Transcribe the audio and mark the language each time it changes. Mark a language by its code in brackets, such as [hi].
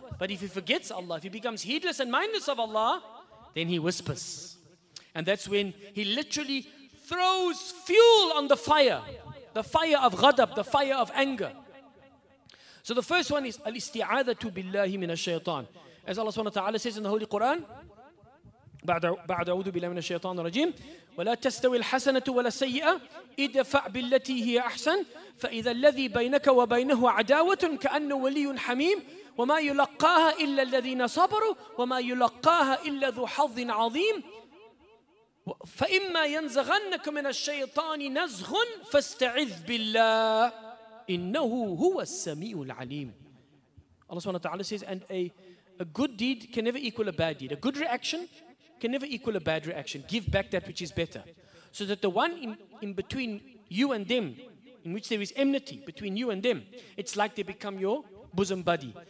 [en] But if he forgets Allah, if he becomes heedless and mindless of Allah, then he whispers. And that's when he literally throws fuel on the fire of ghadab, the fire of anger. So the first one is [ar] الْإِسْتِعَاذَةُ بِاللَّهِ مِنَ الشَّيْطَانِ. [en] As Allah subhanahu wa ta'ala says in the Holy Quran, [ar] بعد أعوذ بالله من الشيطان الرجيم ولا تستوي الحسنة ولا السيئة ادفع بالتي هي أحسن فإذا الذي بينك وبينه عداوة كأنه ولي حميم وما يلقاها إلا الذين صبروا وما يلقاها إلا ذو حظ عظيم فإما ينزغنك من الشيطان نزغ فاستعذ بالله إنه هو السميع العليم. [en] الله سبحانه وتعالى says, and a good deed can never equal a bad deed. A good reaction can never equal a bad reaction. Give back that which is better. So that the one in between you and them, in which there is enmity between you and them, it's like they become your bosom buddy.